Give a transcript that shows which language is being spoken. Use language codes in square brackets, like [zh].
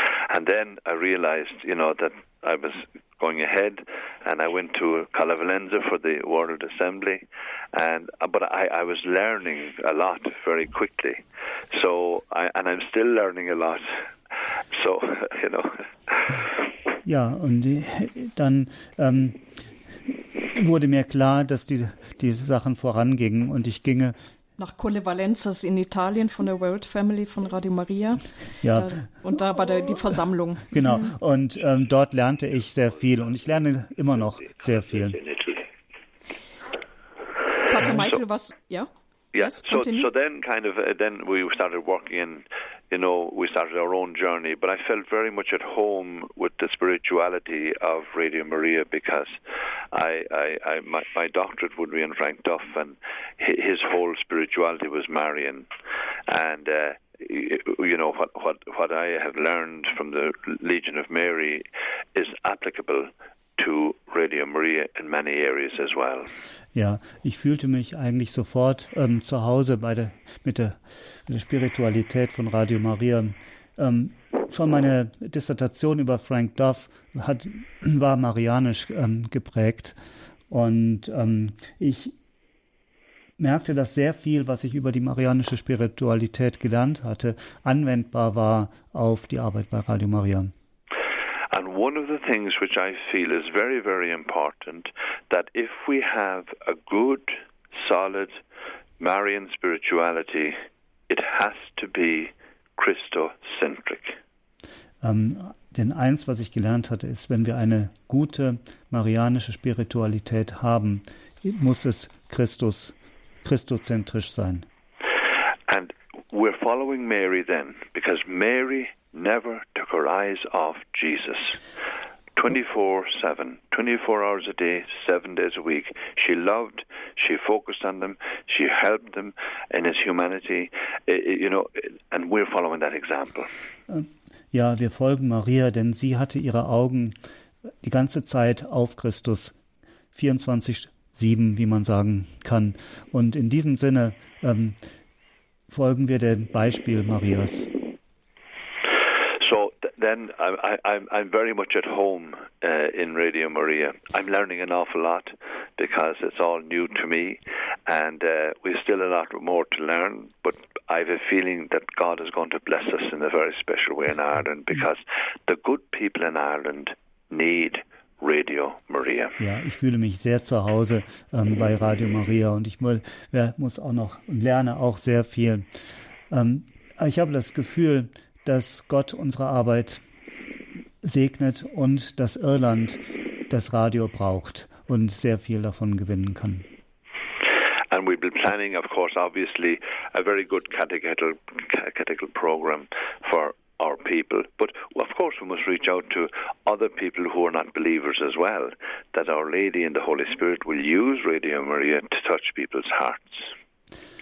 [en] And then I realized, you know, that I was going ahead, and I went to Cala Valenza for the World Assembly, but I was learning a lot very quickly. So I'm still learning a lot. So, you know. [de] Ja, und dann wurde mir klar, dass diese Sachen vorangingen, und ich ginge nach Colle Valenzas in Italien von der World Family von Radio Maria. Ja. Und da war die Versammlung. Genau, und dort lernte ich sehr viel, und ich lerne immer noch sehr viel. Pater Michael, was? Ja? [en] Yes, so then kind of then we started working in, you know, we started our own journey, but I felt very much at home with the spirituality of Radio Maria, because my doctorate would be in Frank Duff, and his whole spirituality was Marian, and you know what I have learned from the Legion of Mary is applicable to Radio Maria in many areas as well. [de] Ja, ich fühlte mich eigentlich sofort zu Hause mit der Spiritualität von Radio Maria. Schon meine Dissertation über Frank Duff war marianisch geprägt, und ich merkte, dass sehr viel, was ich über die marianische Spiritualität gelernt hatte, anwendbar war auf die Arbeit bei Radio Maria. [en] And one of the things which I feel is very, very important, that if we have a good, solid Marian spirituality, it has to be Christocentric. [de] Denn eins, was ich gelernt hatte, ist, wenn wir eine gute marianische Spiritualität haben, muss es christozentrisch sein. [en] And we're following Mary then, because Mary never took her eyes off Jesus. 24/7, 24 hours a day, 7 days a week. She loved, she focused on them, she helped them in his humanity, you know, and we're following that example. [de] Ja, wir folgen Maria, denn sie hatte ihre Augen die ganze Zeit auf Christus, 24/7, wie man sagen kann. Und in diesem Sinne folgen wir dem Beispiel Marias. [en] Then I'm very much at home in Radio Maria. I'm learning an awful lot, because it's all new to me, and we still have a lot more to learn, but I have a feeling that God is going to bless us in a very special way in Ireland, because the good people in Ireland need Radio Maria. [de] Ja, ich fühle mich sehr zu Hause bei Radio Maria, und ich muss auch noch und lerne auch sehr viel. Ich habe das Gefühl, dass Gott unsere Arbeit segnet und dass Irland das Radio braucht und sehr viel davon gewinnen kann. [en] And we've been planning, of course, obviously, a very good catechetical program for our people. But of course, we must reach out to other people who are not believers as well, that Our Lady and the Holy Spirit will use Radio Maria to touch people's hearts.